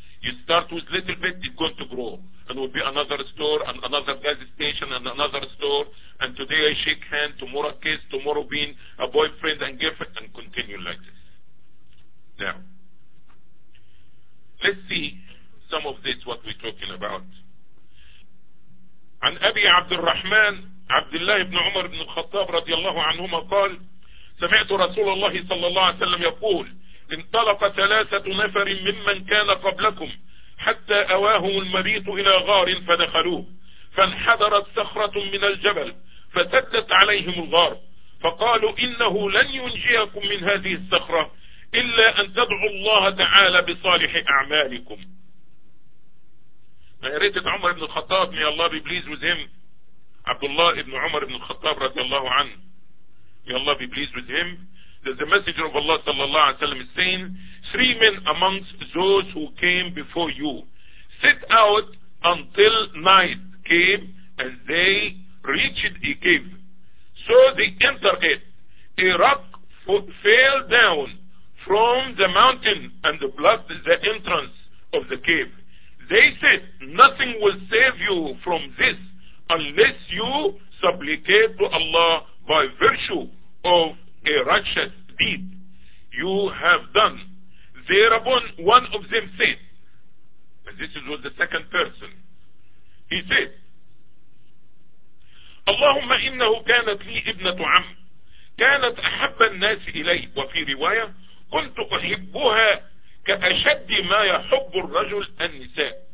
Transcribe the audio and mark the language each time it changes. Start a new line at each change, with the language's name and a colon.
English: You start with little bit, it's going to grow. And will be another store, and another gas station, and another store. And today I shake hand, tomorrow kiss, tomorrow being a boyfriend and girlfriend, and continue like this. Now, let's see some of this, what we're talking about.
Arabic: And Abi Abdul Rahman, Abdullah ibn Umar ibn Khattab, radiallahu anhuma, قال, سمعت رسول الله صلى الله عليه وسلم يقول انطلق ثلاثة نفر ممن كان قبلكم حتى أواهم المبيت إلى غار فدخلوه فانحدرت صخرة من الجبل فسدت عليهم الغار فقالوا إنه لن ينجيكم من هذه الصخرة إلا أن تدعوا الله تعالى بصالح أعمالكم.
English: ريتك عمر بن الخطاب may Allah be pleased with him.
Arabic: عبد الله بن عمر بن الخطاب رضي الله عنه.
English: May Allah be pleased with him. The Messenger of Allah sallallahu alaihi wasallam is saying, three men amongst those who came before you set out until night came and they reached a cave. So they entered it. A rock fell down from the the mountain and the blood the entrance of the cave. They said, nothing will save you from this unless you supplicate to Allah by virtue of a righteous deed you have done. Thereupon one of them said, and this is what the second person, he said,
Arabic: اللهم إنه كانت لي ابنة عم كانت أحب الناس إلي وفي رواية كنت أحبها كأشد ما يحب الرجل النساء